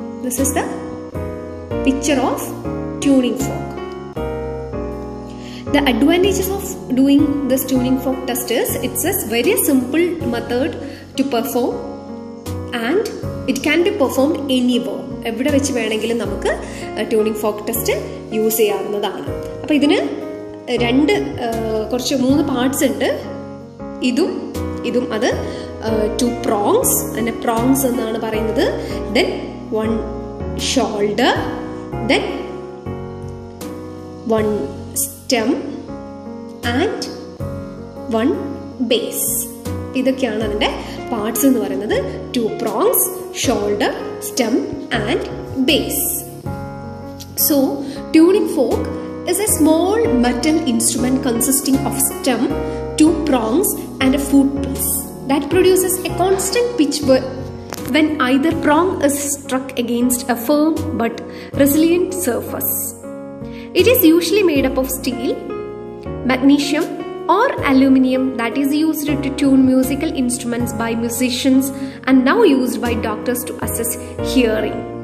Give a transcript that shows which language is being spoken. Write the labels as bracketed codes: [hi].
[en] This is the picture of tuning fork. The advantages of doing this tuning fork test is it's a very simple method to perform and it can be performed anywhere. [ml] എവിടെ വെച്ച് വേണമെങ്കിലും നമുക്ക് tuning folk test use ചെയ്യാവുന്നതാണ്. അപ്പോൾ ഇതിന് രണ്ട് കുറച്ച് മൂന്ന് പാർട്സ് ഉണ്ട്. ഇതും ഇതും അത് ടു പ്രോങ്സ് അതിൻ്റെ പ്രോങ്സ് എന്നാണ് പറയുന്നത്. [en] Then one shoulder, then one stem and one base. [ml] ഇതൊക്കെയാണ് അതിൻ്റെ പാർട്സ് എന്ന് പറയുന്നത്. To prongs, shoulder, stem and base. [en] So tuning fork is a small metal instrument consisting of stem, two prongs and a foot piece that produces a constant pitch when either prong is struck against a firm but resilient surface. It is usually made up of steel, magnesium or aluminium that is used to tune musical instruments by musicians and now used by doctors to assess hearing.